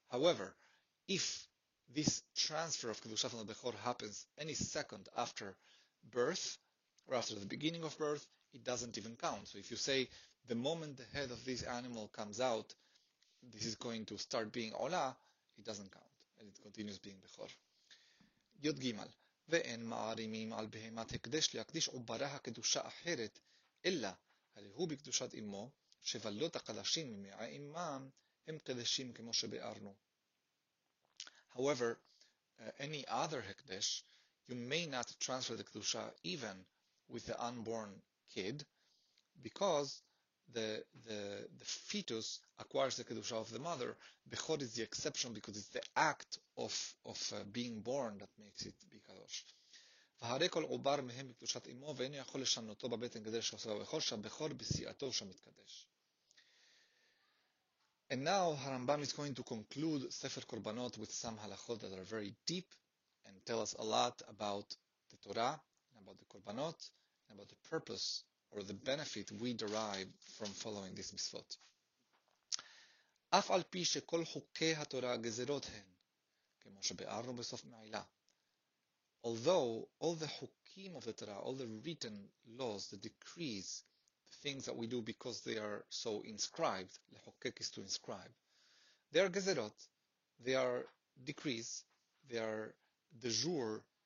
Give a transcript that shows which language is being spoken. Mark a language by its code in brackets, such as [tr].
[en] However, if this transfer of kedushah from the bechor happens any second after birth, or after the beginning of birth, it doesn't even count. So if you say, the moment the head of this animal comes out, this is going to start being ola, it doesn't count, and it continues being bechor. [he] Yod Gimal. ואין מערימים על בהמת הקדש להקדיש עוברה הקדושה אחרת, אלא הרי הוא בקדושת אמו, שבלות הקדשים ממעי אמם הם קדשים כמו שבארנו. [en] However, any other הקדש, you may not transfer the קדושה even with the unborn kid, because the fetus acquires the קדושה of the mother. Bechor is the exception because it's the act of being born that makes it be kadosh. [he] והרי כל עובר מהם בקדושת אמו ואינו יכול לשנותו בבטן כדי שעושה בבכור שהבכור בשיאתו שמתקדש. [en] And now הרמב״ם is going to conclude ספר קורבנות with some הלכות that are very deep and tell us a lot about the Torah and about the קורבנות and about the purpose or the benefit we derive from following this מצוות. [he] אף על פי שכל חוקי התורה גזרות הן, כמו שבארנו בסוף מעילה. [en] Although all the hukim of the Torah, all the written laws, the decrees, the things that we do because they are so inscribed, lechokek is to inscribe, they are gezerot, they are decrees, they are de jure.